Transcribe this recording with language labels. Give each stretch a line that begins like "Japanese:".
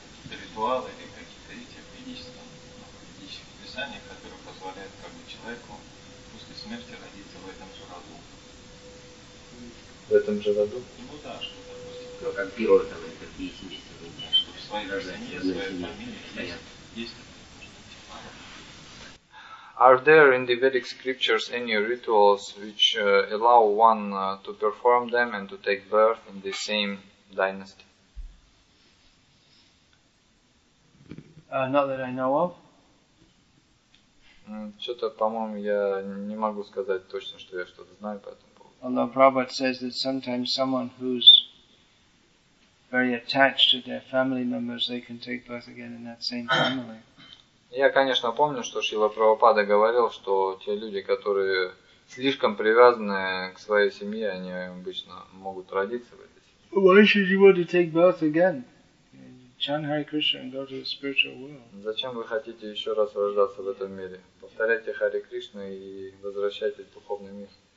Russian: Ритуалы или какие-то эти ведические, ведические писания, которые позволяют как бы человеку после смерти родиться в этом же роду. В этом же роду? Ну да, что, допустим, общества, как герои там и какие семьи сегодня.
English: Are there in the Vedic scriptures any rituals which allow one to perform them and to take birth in the same dynasty? Not that I know of.
Russian: Что-то, по-моему, я не могу сказать точно, что я что-то знаю по этому поводу.
English: Although Prabhupada says that sometimes someone who's very attached to their family members, they can take birth again in that same family.
Russian: Я, конечно, помню, что Шрила Прабхупада говорил, что те люди, которые слишком привязаны к своей семье, они обычно могут родиться в этой семье.
English: Why should you want to take birth again? Chant Hare Krishna and go to the spiritual world.
Russian: Зачем вы хотите еще раз рождаться в этом мире? Повторяйте Харе Кришну и возвращайтесь в духовный мир.